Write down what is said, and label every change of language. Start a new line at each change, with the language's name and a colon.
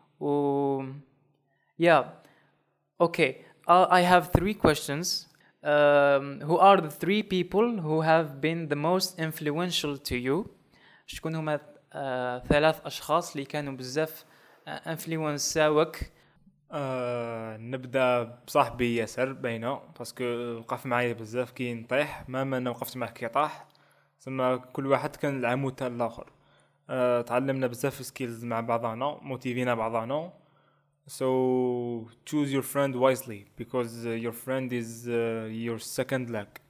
English: و yeah okay I have three questions. Who are the three people who have been the most influential to you؟
Arabic: شكون هما ثلاث اشخاص اللي كانوا بزاف انفلونساوك؟ نبدا بصاحبي ياسر باينه، باسكو وقف معايا بزاف كي نطيح، ماما انا وقفت معاه كي طاح. ثم كل واحد كان العمود تاع الاخر. تعلمنا بزاف سكيلز مع بعضنا، موتيفينا بعضنا.
English: So choose your friend wisely because your friend is your second leg.